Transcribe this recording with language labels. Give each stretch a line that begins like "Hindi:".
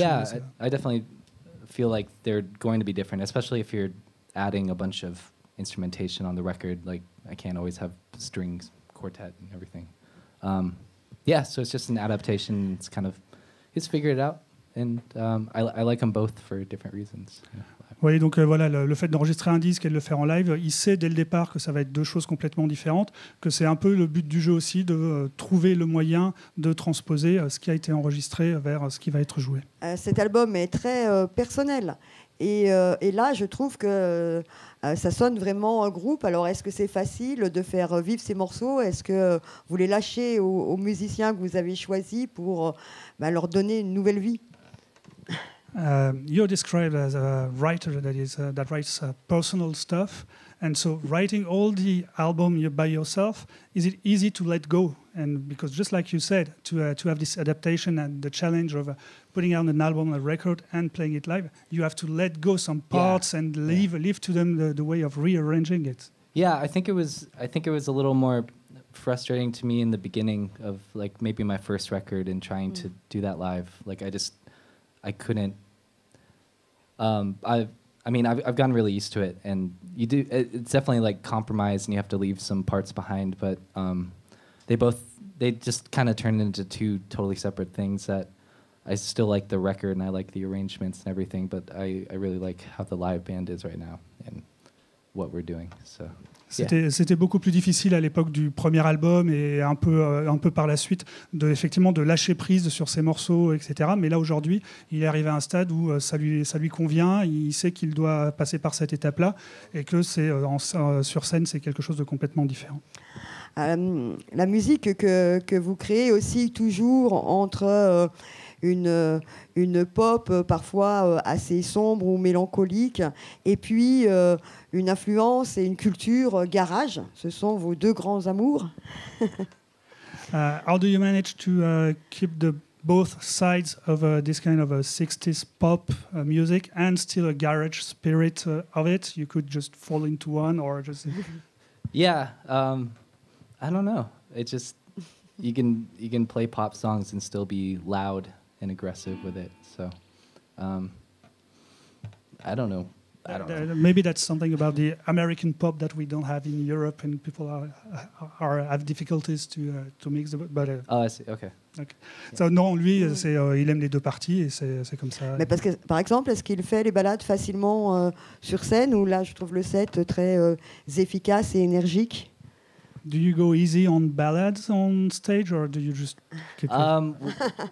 English: Yeah, I definitely feel like they're going to be different, especially if you're adding a bunch of instrumentation on the record. Like, I can't always have strings, quartet, and everything. So it's just an adaptation. It's kind of, he's figured it out, and I like them both for different reasons.
French: Oui, donc voilà, le fait d'enregistrer un disque et de le faire en live, il sait dès le départ que ça va être deux choses complètement différentes, que c'est un peu le but du jeu aussi, de trouver le moyen de transposer ce qui a été enregistré vers ce qui va être joué. Cet album est très personnel. Et là, je trouve que ça sonne vraiment un groupe. Alors, est-ce que c'est facile de faire vivre ces morceaux? Est-ce que vous les lâchez aux musiciens que vous avez choisis pour leur donner une nouvelle vie?
English: You're described as a writer that writes personal stuff, and so writing all the album by yourself, is it easy to let go? And because just like you said, to have this adaptation and the challenge of putting out an album, a record, and playing it live, you have to let go some parts and leave to them the way of rearranging it. Yeah, I think it was a little more frustrating to me in the beginning of like maybe my first record and trying to do that live. Like I couldn't. I mean, I've gotten really used to it, and you do. It's definitely like compromise, and you have to leave some parts behind. But they just kind of turned into two totally separate things. That I still like the record, and I like the arrangements and everything. But I really like how the live band is right now, and what we're doing. So.
French: C'était beaucoup plus difficile à l'époque du premier album et un peu par la suite de effectivement de lâcher prise sur ces morceaux, etc. Mais là aujourd'hui, il est arrivé à un stade où ça lui convient. Il sait qu'il doit passer par cette étape-là et que c'est sur scène, c'est quelque chose de complètement différent. La musique que vous créez aussi toujours entre une pop parfois assez sombre ou mélancolique et puis une influence et une culture garage, ce sont vos deux grands amours.
English: How do you manage to keep the both sides of this kind of a 60s pop music and still a garage spirit of it? You could just fall into one or just I don't know. It's just you can play pop songs and still be loud and aggressive with it. So I don't know. Maybe that's something about the American pop that we don't have in Europe, and people are have difficulties to mix. I see. Okay. Okay. Yeah.
French: So non, lui, c'est il aime les deux parties et c'est comme ça. Mais parce que par exemple, est-ce qu'il fait les balades facilement sur scène, ou là, je trouve le set très efficace et énergique.
English: Do you go easy on ballads on stage, or do you just keep it?